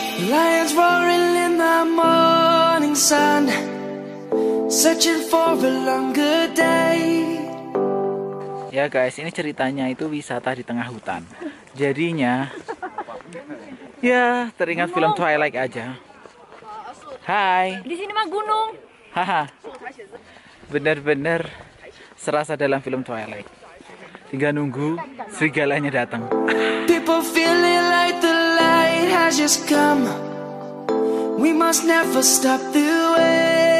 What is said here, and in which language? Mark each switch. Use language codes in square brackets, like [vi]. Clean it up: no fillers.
[en] Lions roaring in the morning sun, searching for a longer day. [id] Ya guys, ini ceritanya itu wisata di tengah hutan. Jadinya ya teringat gunung. Film Twilight aja. Hai. Di sini mah gunung. Haha. Benar-benar serasa dalam film Twilight. Tinggal nunggu serigalanya datang. [en] People feeling like the light has just come. We must never stop the way.